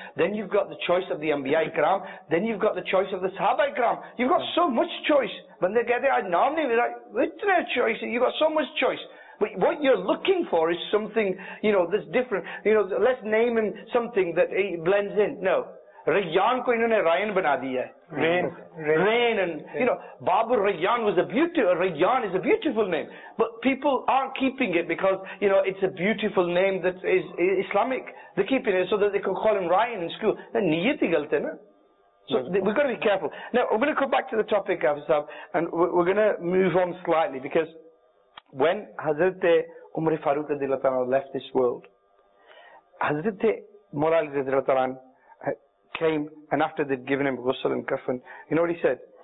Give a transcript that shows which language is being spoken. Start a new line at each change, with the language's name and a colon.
English: Then you've got the choice of the Anbiya Ikram. Then you've got the choice of the Sahaba Ikram. You've got so much choice. When they get there, normally they're like, there's no choice. You've got so much choice. But what you're looking for is something, you know, that's different. You know, let's name him something that he blends in. No.
Urdu: Rayan کو انہوں نے Ryan بنا دیا۔
English: Rain. And, you know, Babur Rayyan was a beautiful, Rayyan is a beautiful name. But people aren't keeping it because, you know, it's a beautiful name that is Islamic. They're keeping it so that they can call him Ryan in school. Then niyati galte na. So we've got to be careful. Now, I'm going to come back to the topic, Afzal, and we're going to move on slightly because when Hazrat Umar Farooq left this world, Hazrat Murali came, and after they'd given him ghusl and kafan, you know what he said?